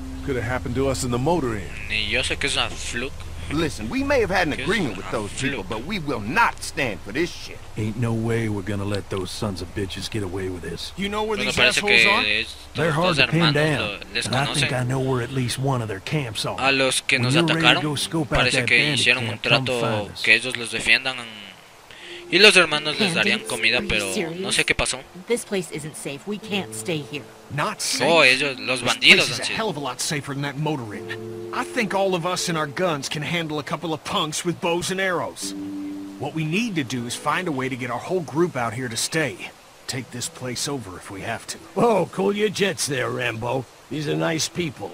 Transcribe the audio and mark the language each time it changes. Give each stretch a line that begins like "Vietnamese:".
English: Could have happened to us in the motor inn.
Spanish: Ni yo sé que es una fluke.
English: Listen, we may have had an agreement with those people, but we will not stand for this shit. Ain't no way we're gonna let those sons of bitches get away with this. You know where these assholes are? They're hard to pin down, and I think I know where at least one of their camps are.
Spanish: A los que nos atacaron, parece que hicieron un trato que ellos los defiendan, y los hermanos les darían comida, pero no sé qué pasó.
English: This place isn't safe. We can't stay here. Not safe.
Spanish: Oh, ellos, los bandidos,
English: this place is a hell of a lot safer than that motor inn. I think all of us and our guns can handle a couple of punks with bows and arrows. What we need to do is find a way to get our whole group out here to stay. Take this place over if we have to. Oh, cool your jets there, Rambo. These are nice people.